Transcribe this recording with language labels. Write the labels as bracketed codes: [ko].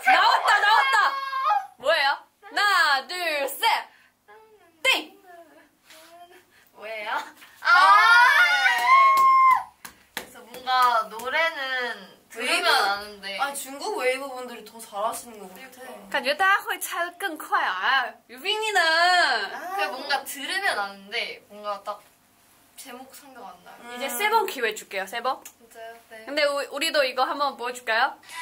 [ko] 최고! 나왔다, 나왔다! 뭐예요? 하나, 둘, 셋! 띵! 뭐예요? 아! 그래서 뭔가 노래는. 들으면 아는데 아 중국 웨이브 분들이 더 잘하시는 것 같아. [zh] 感觉大家会猜得更快啊 유빈이는 [ko] 근데 뭔가 들으면 아는데 뭔가 딱 제목 생각 안 나요. 이제 세 번 기회 줄게요. 세 번. 진짜요? 네. 근데 우리도 이거 한번 보여줄까요?